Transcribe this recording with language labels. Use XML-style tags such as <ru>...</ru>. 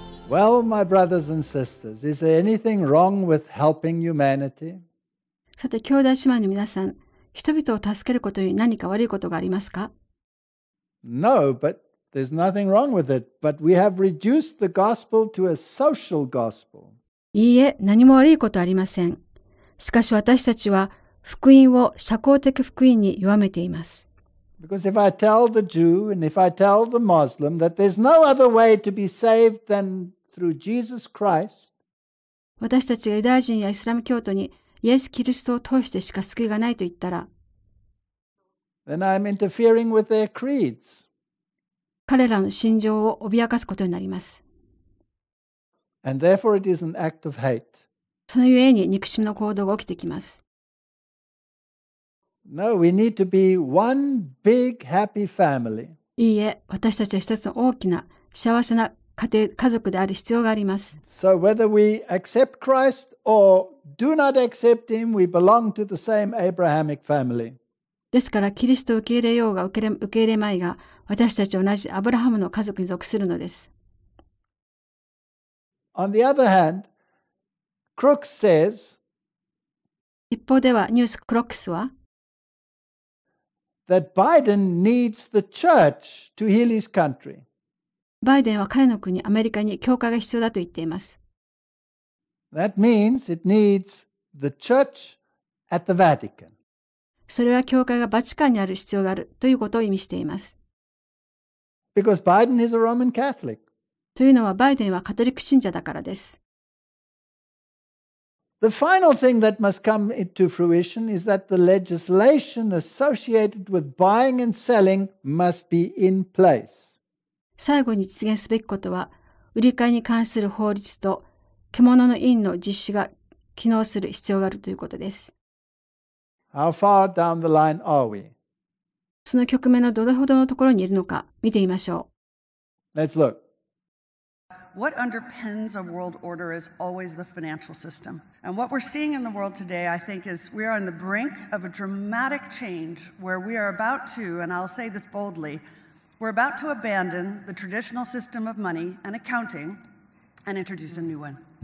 <en>Well, my brothers and sisters, is there anything wrong with helping humanity?</en> <ja>さて、兄弟姉妹の皆さん、人々を助けることに何か悪いことがありますか?</ja> <en>No, but there's nothing wrong with it. But we have reduced the gospel to a social gospel.</en> <ja>いいえ、何も悪いことありません。しかし私たちは福音を社交的福音に弱めています。</ja> <en>Because if I tell the Jew and if I tell the Muslim that there's no other way to be saved than through Jesus Christ,</en> <ja>私たちがユダヤ人やイスラム教徒にイエス・キリストを通してしか救いがないと言ったら、</ja> <en>then I'm interfering with their creeds.</en> <ja>彼らの信条を脅かすことになります。</ja> <en>And therefore it is an act of hate.</en> <ja>そのゆえに憎しみの行動が起きてきます。</ja> <en>No, we need to be one big happy family.</en> <ja>いいえ、私たちは一つの大きな幸せな家庭、家族である必要があります。</ja> <en>So whether we accept Christ or do not accept him, we belong to the same Abrahamic family.</en> <ja>ですから、キリストを受け入れようが受け入れまいが、私たちは同じアブラハムの家族に属するのです。</ja> <en>On the other hand, Crooks says,</en> <ja>一方では、ニュース・クロックスは、</ja> <en>That Biden needs the church to heal his country.</en> <ja>バイデンは彼の国、アメリカに教会が必要だと言っています。</ja> <en>That means it needs the church at the Vatican.</en> <ja>それは教会がバチカンにある必要があるということを意味しています。</ja> <en>Because Biden is a Roman Catholic.</en> <ja>というのはバイデンはカトリック信者だからです。</ja> <en>The final thing that must come into fruition is that the legislation associated with buying and selling must be in place.</en> <ja>最後に実現すべきことは、売り買いに関する法律と獣の印の実施が機能する必要があるということです。</ja> <en>How far down the line are we?</en> <ja>その局面のどれほどのところにいるのか見てみましょう。</ja> <en>Let's look. What underpins a world order is always the financial system. And what we're seeing in the world today, I think, is we are on the brink of a dramatic change where we are about to, and I'll say this boldly, we're about to abandon the traditional system of money and accounting and introduce a new one.</en>